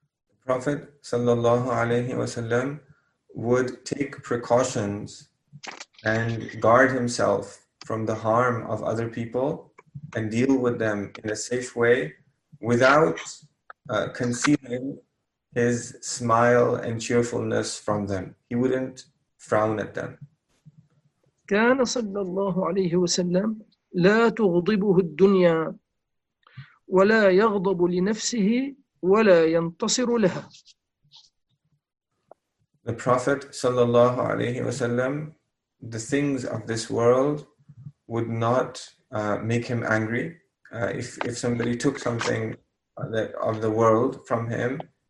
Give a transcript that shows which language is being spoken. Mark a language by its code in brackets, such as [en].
[en] The Prophet [ar] صلى الله عليه وسلم [en] would take precautions and guard himself from the harm of other people and deal with them in a safe way without concealing his smile and cheerfulness from them. He wouldn't frown at them. [ar] كان صلى الله عليه وسلم لا تغضبه الدنيا ولا يغضب لنفسه ولا ينتصر لها. [en] The Prophet [ar] صلى الله عليه وسلم, [en] the things of this world would not make him angry. If somebody took something that of the world from him,